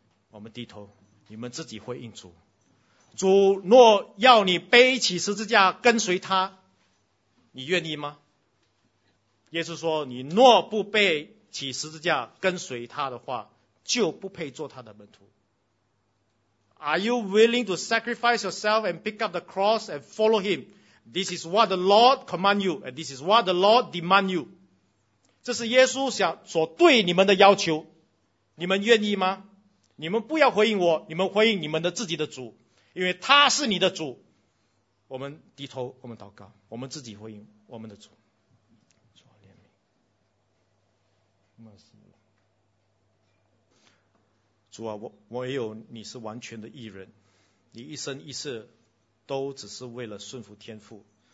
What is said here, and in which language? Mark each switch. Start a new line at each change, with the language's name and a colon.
Chinese: 我们低头，你们自己回应主。主若要你背起十字架跟随他，你愿意吗？耶稣说，你若不背起十字架跟随他的话，就不配做他的门徒。
English: Are you willing to sacrifice yourself and pick up the cross and follow him? This is what the Lord command you and this is what the Lord demand you.
Chinese: 这是耶稣所对你们的要求，你们愿意吗？你们不要回应我，你们回应你们的自己的主，因为他是你的主。我们低头，我们祷告，我们自己回应我们的主。主怜悯，主啊，我也有你是完全的义人，你一生一世都只是为了顺服天父，